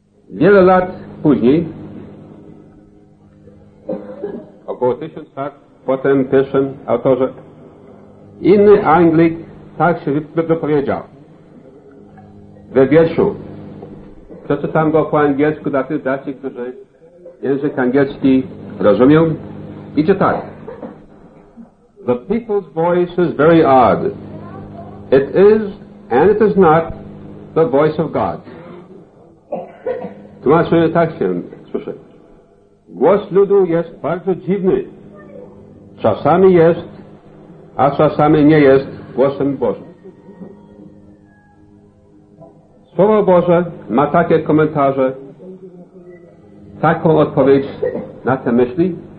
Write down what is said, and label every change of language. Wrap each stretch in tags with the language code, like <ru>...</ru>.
<pl>Wiele lat później, około 1000 lat potem pierwszym autorze, inny Anglik tak się wypowiedział we wierszu. Przeczytam go po angielsku dla tych braci, którzy język angielski rozumią. Idzie tak.</pl> <en>The people's voice is very odd. It is, and it is not, the voice of God.</en> <pl>Tłumaczenie tak się słyszy. Głos ludu jest bardzo dziwny. Czasami jest, a czasami nie jest głosem Bożym. Słowo Boże ma takie komentarze, taką odpowiedź na te myśli.</pl>